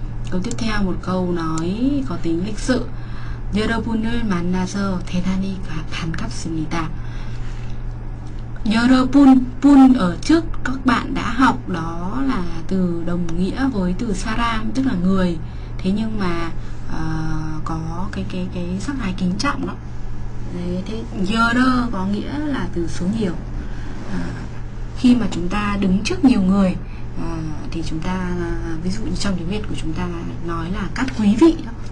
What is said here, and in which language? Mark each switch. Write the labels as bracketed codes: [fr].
[vi] Câu tiếp theo một câu nói có tính lịch sự. [ko] 여러분을 만나서 대단히 반갑습니다. [vi] 여러분, 분 ở trước các bạn đã học đó là từ đồng nghĩa với từ saram tức là người. Thế nhưng mà có cái sắc thái kính trọng đó. Đấy, thế yoro có nghĩa là từ số nhiều. Khi mà chúng ta đứng trước nhiều người thì chúng ta ví dụ như trong tiếng Việt của chúng ta nói là các quý vị đó.